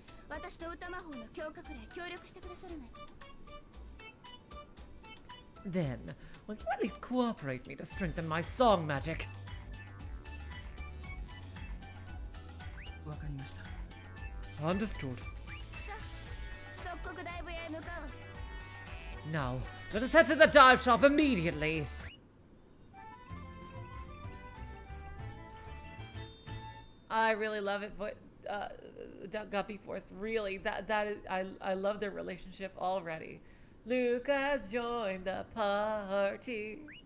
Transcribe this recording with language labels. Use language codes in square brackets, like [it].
[ja] 私と歌魔法の強化クレ協力してくださらない [en] Then, will you at least cooperate me to strengthen my song magic? [ja] わかりました [en] Understood [ja] さ、即刻ダイブ屋へ向かう [en] Now, let us head to the dive shop immediately! I really love it, but Guppy Force, really, I love their relationship already. Lucas joined the party.